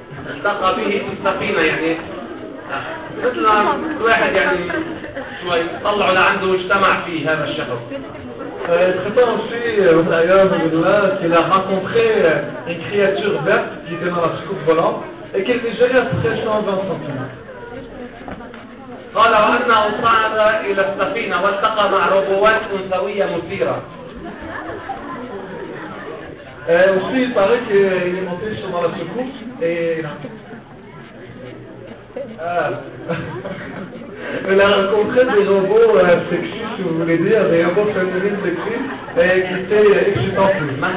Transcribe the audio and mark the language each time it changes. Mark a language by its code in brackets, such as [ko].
[ar] التقى به في السفينة يعني مثل واحد يعني شوي طلعوا لعنده واجتمع فيه هذا الشخص. الخطأ في من أيام الولاد إلى [fr] rencontré une créature verte qui était dans la soucoupe volante et qu'il mesurait près de 20 cm. [ar] قال وأنه صعد إلى السفينة والتقى مع روبوات أنثوية مثيرة. [fr] Aussi, il paraît qu'il est monté sur la secousse et il a rencontré des robots sexy, si vous voulez dire, des robots féminines sexy, et qui étaient excitants plus.